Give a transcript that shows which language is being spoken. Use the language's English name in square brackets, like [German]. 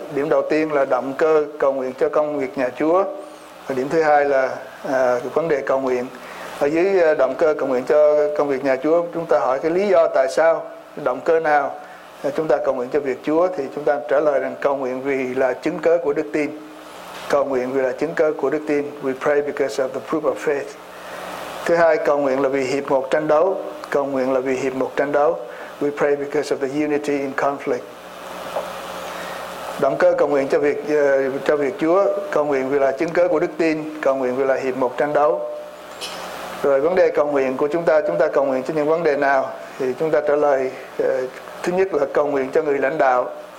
[Vietnamese] Điểm đầu tiên là động cơ cầu nguyện cho công việc nhà Chúa, và điểm thứ hai là vấn đề cầu nguyện. Ở dưới động cơ cầu nguyện cho công việc nhà Chúa, chúng ta hỏi cái lý do tại sao, động cơ nào chúng ta cầu nguyện cho việc Chúa, thì chúng ta trả lời rằng cầu nguyện vì là chứng cớ của đức tin. Cầu nguyện vì là chứng cớ của đức tin. [English] We pray because of the proof of faith. [Vietnamese] Thứ hai, cầu nguyện là vì hiệp một tranh đấu. Cầu nguyện là vì hiệp một tranh đấu. [English] We pray because of the unity in conflict. [Vietnamese] Động cơ cầu nguyện cho việc Chúa, cầu nguyện vì là chứng cớ của đức tin, cầu nguyện vì là hiệp một tranh đấu. Rồi vấn đề cầu nguyện của chúng ta cầu nguyện cho những vấn đề nào? Thì chúng ta trả lời, thứ nhất là cầu nguyện cho người lãnh đạo.